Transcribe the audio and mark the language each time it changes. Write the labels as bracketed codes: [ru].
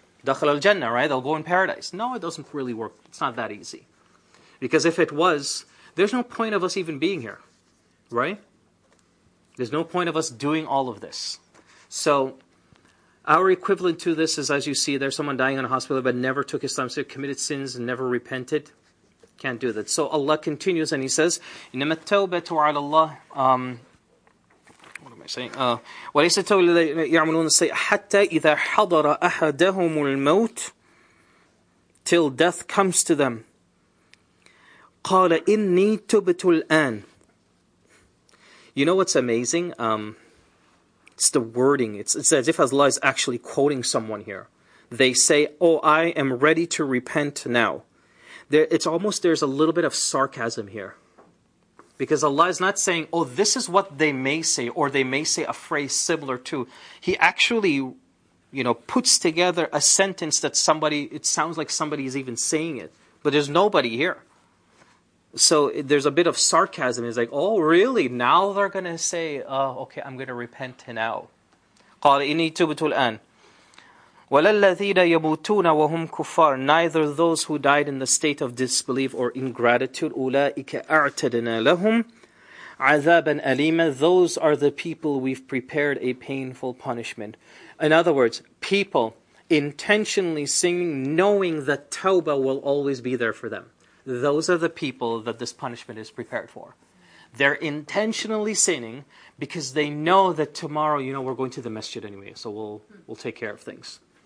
[en] Dakhil al-Jannah, right? They'll go in paradise. No, it doesn't really work. It's not that easy. Because if it was, there's no point of us even being here, right? There's no point of us doing all of this. So Our equivalent to this is, as you see, there's someone dying in a hospital but never took Islam, so committed sins and never repented. Can't do that. So Allah continues and He says, [ar] إِنَّمَا التَّوْبَةُ عَلَى اللَّهِ وليس التوبة الذين يعملون السيئة حتى إذا حضر أحدهم الموت [en] till death comes to them [ar] قال إني تبت الآن. [en] You know what's amazing? It's the wording. It's as if Allah is actually quoting someone here. They say, oh, I am ready to repent now. It's almost there's a little bit of sarcasm here. Because Allah is not saying, oh, this is what they may say, or they may say a phrase similar to. He actually, you know, puts together a sentence that somebody, it sounds like somebody is even saying it. But there's nobody here. So there's a bit of sarcasm. He's like, oh, really? Now they're going to say, oh, okay, I'm going to repent now. [ar] قال إني تبت الآن ولا الذين يموتون وهم كفار. [en] Neither those who died in the state of disbelief or ingratitude. [ar] أولئك أعتدنا لهم عذابا أليما. [en] Those are the people we've prepared a painful punishment. In other words, people intentionally singing, knowing that tawbah will always be there for them. Those are the people that this punishment is prepared for. They're intentionally sinning because they know that tomorrow, you know, we're going to the masjid anyway, so we'll take care of things.